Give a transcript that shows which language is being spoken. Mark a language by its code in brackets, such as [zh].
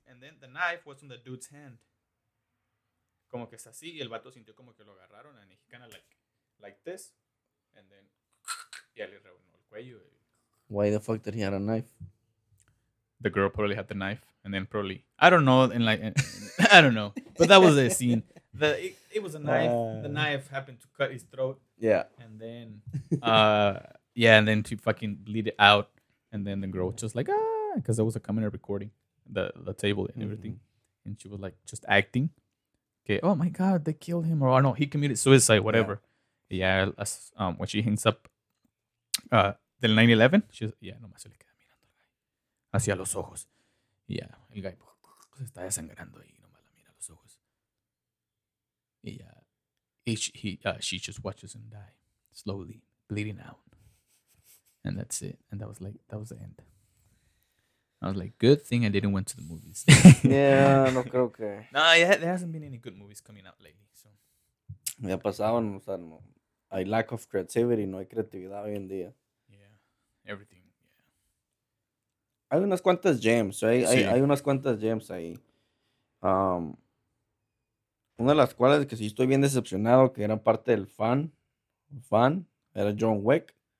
[en] And then the knife was on the dude's hand. [es] Como que es así, y el vato sintió como que lo agarraron. [en] And he kind of like this. And then... Yeah, [es] le reunió el cuello. [en] Why the fuck did he have a knife? The girl probably had the knife, and then probably, I don't know, and like, I don't know, but that was the scene. It was a knife. The knife happened to cut his throat. Yeah. And then, and then to fucking bleed it out. And then the girl was just like, because there was a camera recording the table and everything. Mm-hmm. And she was like, just acting. Okay. Oh my God, they killed him. Or oh, no, he committed suicide, whatever. Yeah, when she hangs up, the 9/11, she's, yeah, [es] no más se le queda. Hacia los ojos. Yeah, el guy se está desangrando y nomás la mira a los ojos. [en] Yeah. She just watches him die slowly, bleeding out. And that's it. And that was the end. I was like, good thing I didn't went to the movies. [es] Yeah, no creo que. [en] No, yeah, there hasn't been any good movies coming out lately. So. [es] Me ha pasado, o sea, no. Hay [en] lack of creativity, [es] no hay creatividad hoy en día. [en] Yeah, everything. [es] Hay unas cuantas gems, hay unas cuantas gems ahí. Una de las cuales que sí estoy bien decepcionado, que era parte del fan, era John Wick.